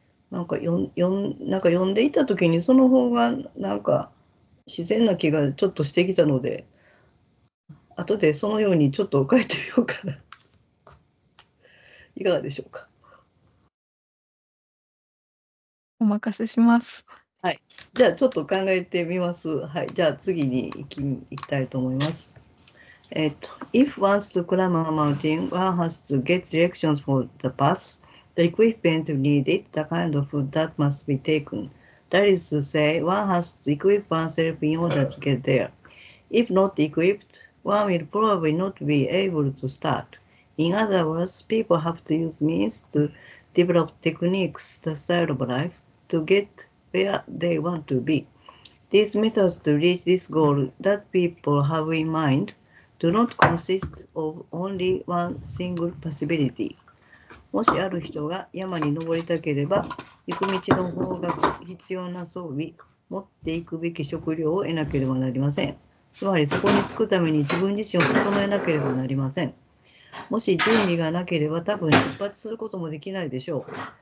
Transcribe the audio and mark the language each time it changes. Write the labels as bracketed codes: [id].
[ja] なんか読んでいた時にその方がなんか自然な気がちょっとしてきたので、後でそのようにちょっと書いてみようかな。いかがでしょうか。お任せします。はい、じゃあちょっと考えてみます。はい、じゃあ次に行きたいと思います。 [en] If one wants to climb a mountain, one has to get directions for the path, the equipment needed, the kind of food that must be taken. That is to say, one has to equip oneself in order to get there. If not equipped, one will probably not be able to start. In other words, people have to use means to develop techniques, the style of life, to getWhere they want to be. These methods to reach this goal that people have in mind do not consist of only one single possibility. [ja] もしある人が山に登りたければ、行く道の方が必要な装備、持っていくべき食料を得なければなりません。つまりそこに着くために自分自身を整えなければなりません。もし準備がなければ多分出発することもできないでしょう。